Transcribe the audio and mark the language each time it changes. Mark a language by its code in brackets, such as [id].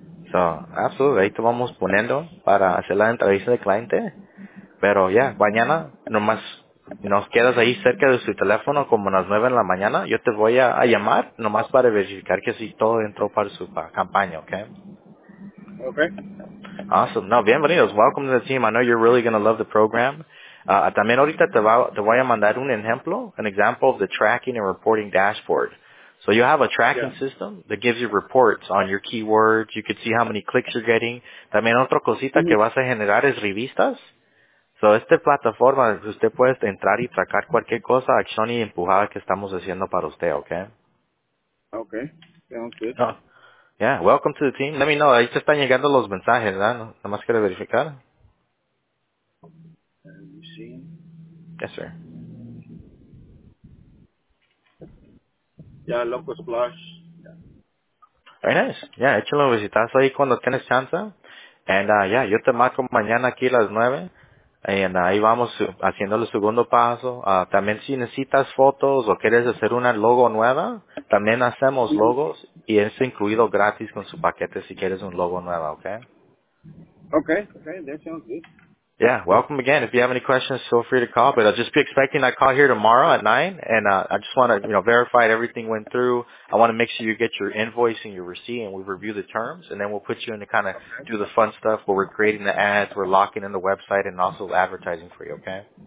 [en] So, absolutely. [es] Ahí te vamos poniendo para hacer la entrevista de cliente. Pero, ya, yeah, mañana nomás... Nos quedas ahí cerca de su teléfono como a las 9 de la mañana. Yo te voy a llamar nomás para verificar que sí todo entró para su campaña, ¿ok? Ok. Awesome. No, bienvenidos. [en] Welcome to the team. I know you're really going to love the program. [es] También ahorita te voy a mandar un ejemplo, [en] an example of the tracking and reporting dashboard. So you have a tracking system that gives you reports on your keywords. You could see how many clicks you're getting. [es] También otra cosita que vas a generar es revistas. So, esta plataforma, usted puede entrar y sacar cualquier cosa, acción y empujada que estamos haciendo para usted, ¿ok? [en] Ok, sounds good. [es] Oh. [en] Yeah, welcome to the team. Let me know, [es] ahí te están llegando los mensajes, ¿verdad? ¿No? Nada más quiero verificar. [en] Let me see. Yes, sir. Yeah, Local Splash. [es] Yeah. [en] Very nice. [es] Yeah, échale un visitazo ahí cuando tienes chance. And, yeah, yo te marco mañana aquí a las 9. And ahí vamos haciendo el segundo paso. También si necesitas fotos o quieres hacer una logo nueva, también hacemos logos y es incluido gratis con su paquete si quieres un logo nueva, okay? [en] Okay, okay, that sounds good. Yeah, welcome again. If you have any questions, feel free to call. But I'll just be expecting that call here tomorrow at 9, and I just want to, you know, verify that everything went through. I want to make sure you get your invoice and your receipt, and we review the terms, and then we'll put you in to kind of do the fun stuff where we're creating the ads, we're locking in the website, and also advertising for you, okay?